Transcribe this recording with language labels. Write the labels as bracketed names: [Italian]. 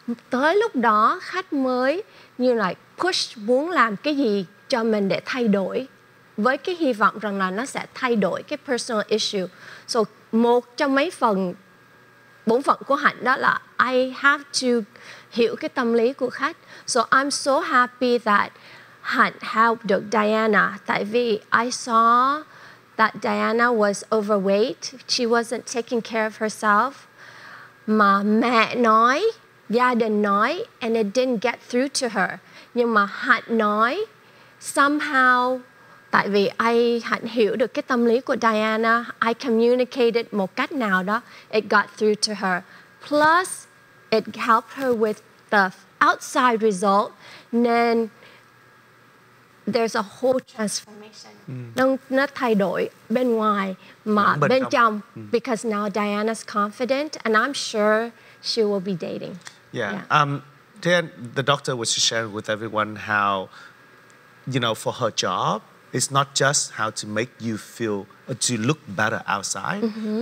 [Vietnamese] Tới lúc đó khách mới như là push muốn làm cái gì cho mình để thay đổi, với cái hy vọng rằng là nó sẽ thay đổi cái personal issue. So một trong mấy phần bổn phận của Hạnh đó là [English] I have to [Vietnamese] hiểu cái tâm lý của khách. [English] So I'm so happy that Hạnh helped Diana. [Vietnamese] Tại vì [English] I saw that Diana was overweight. She wasn't taking care of herself. [Vietnamese] Mà mẹ nói, gia đình nói, [English] and it didn't get through to her. [Vietnamese] Nhưng mà Hạnh nói, somehow, tại vì Hạnh hiểu được cái tâm lý của Diana, [English] I communicated [Vietnamese] một cách nào đó, [English] it got through to her. Plus, it helped her with the outside result. [Vietnamese] Nên [English] there's a whole transformation. [Vietnamese] Nó thay đổi bên ngoài mà bên trong. [English] Because now Diana's confident, and I'm sure she will be dating. Then the doctor was sharing with everyone how, you know, for her job, it's not just how to make you feel or to look better outside, mm-hmm.